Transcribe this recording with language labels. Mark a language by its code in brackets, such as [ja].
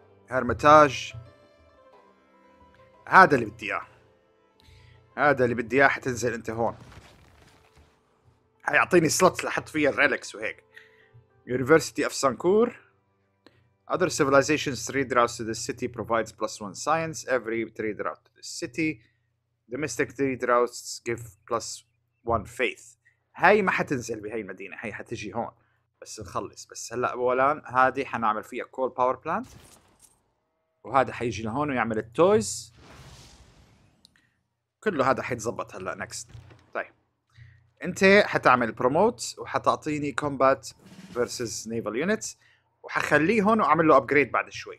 [ar] هرمتاج هذا اللي بدي اياه. هذا اللي بدي اياه حتنزل انت هون هيعطيني سلوتس لحط فيها الريلكس وهيك. [en] University of Sankur. Other civilizations trade routes to the city provides plus one science. Every trade route to the city. Domestic trade routes give plus one faith. [ar] هاي ما حتنزل بهاي المدينة. هاي حتجي هون. بس نخلص. بس هلا اولا هادي حنعمل فيها coal power plant. وهذا حيجي لهون ويعمل التويز. كله هذا حيتزبط هلا next. انت حتعمل بروموت وحتعطيني كومبات فيرسز نيفال يونيتس وحخليه هون واعمل له ابجريد بعد شوي.